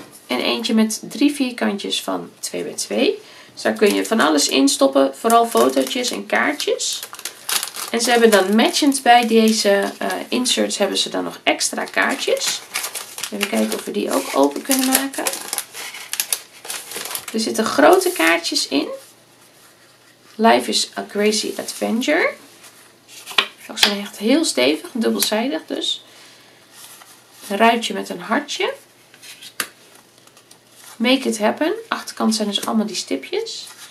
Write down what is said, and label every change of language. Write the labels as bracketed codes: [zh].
[nl] En eentje met drie vierkantjes van 2x2. Dus daar kun je van alles in stoppen. Vooral fotootjes en kaartjes. En ze hebben dan matchend bij deze inserts hebben ze dan nog extra kaartjes. Even kijken of we die ook open kunnen maken. Er zitten grote kaartjes in. [en] Life is a crazy adventure. [nl] Ze zijn echt heel stevig, dubbelzijdig dus. Een ruitje met een hartje. [en] Make it happen. [nl] Achterkant zijn dus allemaal die stipjes.